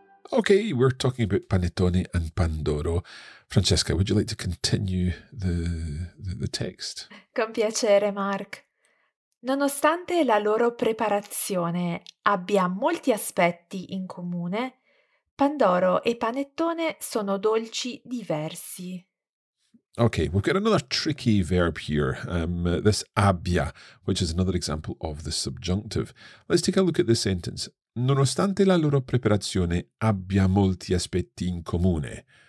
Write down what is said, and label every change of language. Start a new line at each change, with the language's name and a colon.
English: Okay, we're talking about panettone and pandoro. Francesca, would you like to continue the text?
Italian: Con piacere, Mark. Nonostante la loro preparazione abbia molti aspetti in comune, pandoro e panettone sono dolci diversi.
English: Okay, we've got another tricky verb here. This abbia, which is another example of the subjunctive. Let's take a look at this sentence.
Italian: Nonostante la loro preparazione abbia molti aspetti in comune.